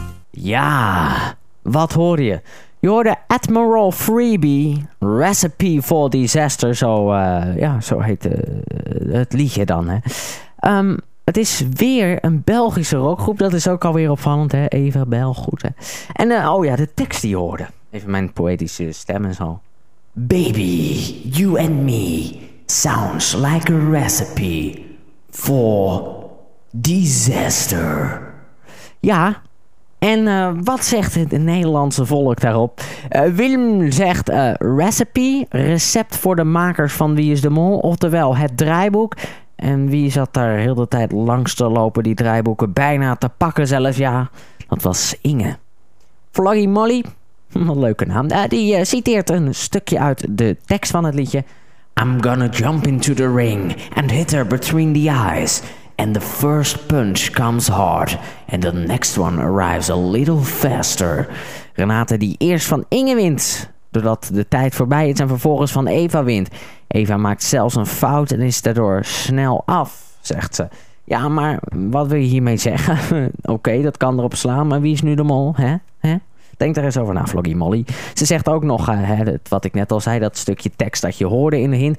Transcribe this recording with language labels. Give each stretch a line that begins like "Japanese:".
Dutch: Ja, wat hoor je? Je hoorde Admiral Freebie, Recipe for Disaster, zo heet het liedje dan. Hè. Het is weer een Belgische rockgroep, dat is ook alweer opvallend, hè? Even Belgoed. Hè? En de tekst die je hoorde. Even mijn poëtische stem en zo.
English: Baby, you and me, sounds like a recipe for disaster.
Dutch: Ja, en wat zegt het Nederlandse volk daarop? Willem zegt recipe, recept voor de makers van Wie is de Mol, oftewel het draaiboek. En wie zat daar heel de tijd langs te lopen, die draaiboeken bijna te pakken zelfs, ja. Dat was Inge. Vloggy Molly, wat een leuke naam, die citeert een stukje uit de tekst van het liedje.
English: I'm gonna jump into the ring and hit her between the eyes. And the first punch comes hard. And the next one arrives a little faster.
Dutch: Renate die eerst van Inge wint. Doordat de tijd voorbij is en vervolgens van Eva wint. Eva maakt zelfs een fout en is daardoor snel af, zegt ze. Ja, maar wat wil je hiermee zeggen? Oké, dat kan erop slaan, maar wie is nu de mol, hè? Denk er eens over na, Vloggy Molly. Ze zegt ook nog, wat ik net al zei, dat stukje tekst dat je hoorde in de hint.